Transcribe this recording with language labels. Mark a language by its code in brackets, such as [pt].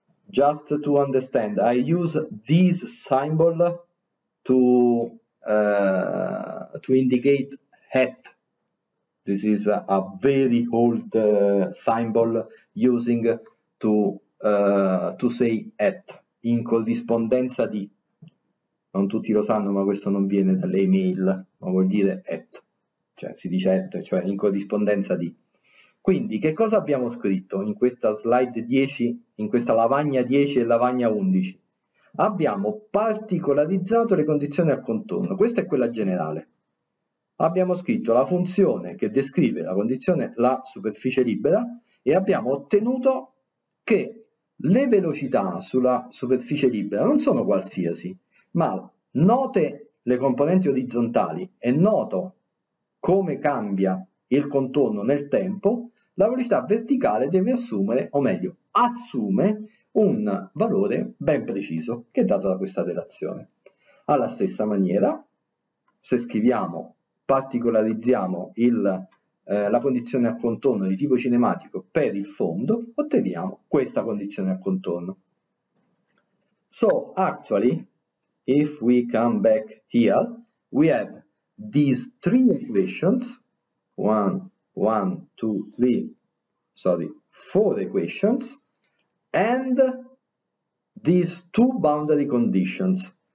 [en] Just to understand, I use this symbol to indicate hat. This is a very old symbol using to say hat. [it] In corrispondenza di, non tutti lo sanno, ma questo non viene dalle email, ma vuol dire at, cioè si dice at, cioè in corrispondenza di. Quindi che cosa abbiamo scritto in questa slide 10, in questa lavagna 10 e lavagna 11? Abbiamo particolarizzato le condizioni al contorno, questa è quella generale. Abbiamo scritto la funzione che descrive la condizione, la superficie libera, e abbiamo ottenuto che le velocità sulla superficie libera non sono qualsiasi, Ma note le componenti orizzontali e noto come cambia il contorno nel tempo, la velocità verticale deve assumere, o meglio, assume un valore ben preciso che è dato da questa relazione. Alla stessa maniera, se scriviamo, particolarizziamo la condizione a contorno di tipo cinematico per il fondo, otteniamo questa condizione a contorno. [en] So, actually, if we come back here, we have these three equations, one, two, three, sorry, four equations, and these two boundary conditions.